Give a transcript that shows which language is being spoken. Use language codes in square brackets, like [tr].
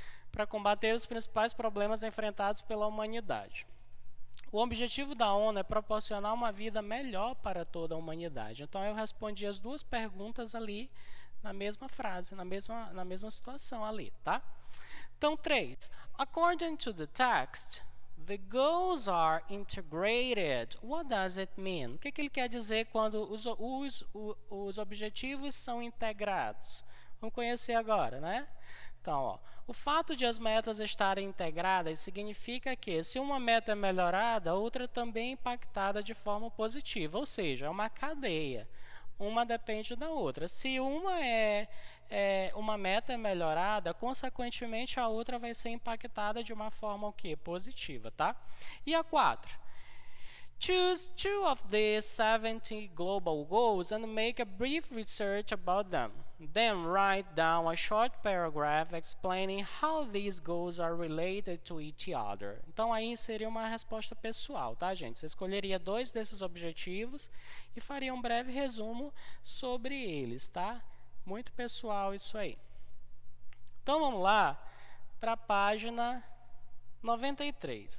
[pt] Para combater os principais problemas enfrentados pela humanidade. O objetivo da ONU é proporcionar uma vida melhor para toda a humanidade. Então, eu respondi as duas perguntas ali na mesma frase, na mesma situação ali, tá? Então, 3. [en] According to the text, the goals are integrated. What does it mean? [pt] O que, que ele quer dizer quando os objetivos são integrados? Vamos conhecer agora, né? Então, ó, o fato de as metas estarem integradas significa que se uma meta é melhorada, a outra também é impactada de forma positiva. Ou seja, é uma cadeia. Uma depende da outra. Se uma meta é melhorada, consequentemente a outra vai ser impactada de uma forma o quê? Positiva, tá? E a 4. [en] Choose 2 of the 17 global goals and make a brief research about them. Then write down a short paragraph explaining how these goals are related to each other. [pt] Então aí seria uma resposta pessoal, tá, gente? Você escolheria 2 desses objetivos e faria um breve resumo sobre eles, tá? Muito pessoal isso aí. Então vamos lá para a página 93.